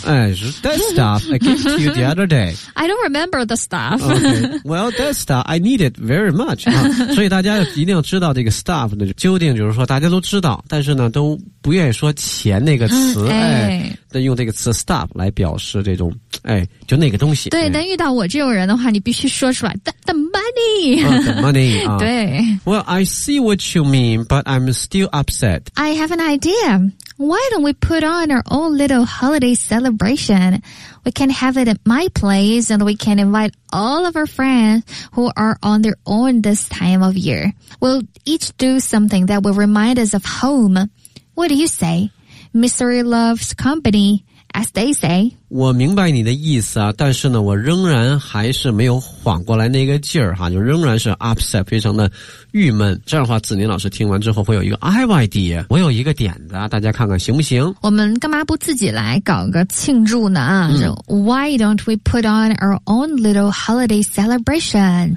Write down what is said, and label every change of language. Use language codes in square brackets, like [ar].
[en] That stuff I gave to you the other day. I don't remember the stuff. Okay, well, that stuff I need it very much. [zh] 所以大家一定要知道这个 stuff 的究竟，就是说大家都知道，但是呢都不愿意说钱那个词，那用这个词 stuff 来表示这种，就那个东西。对，但遇到我这种人的话，你必须说出来 [en] the money. The money. [zh] 对。 [en] Well, I see what you mean, but I'm still upset. I have an idea. Why don't we put on our own little holiday celebration? We can have it at my place and we can invite all of our friends who are on their own this time of year. We'll each do something that will remind us of home. What do you say? Misery loves company. As they say, [zh] 我明白你的意思啊，但是呢，我仍然还是没有缓过来那个劲儿哈，就仍然是 upset, 非常的郁闷。这样的话，子宁老师听完之后会有一个 idea, 我有一个点子，大家看看行不行？我们干嘛不自己来搞个庆祝呢？ [en] Why don't we put on our own little holiday celebration?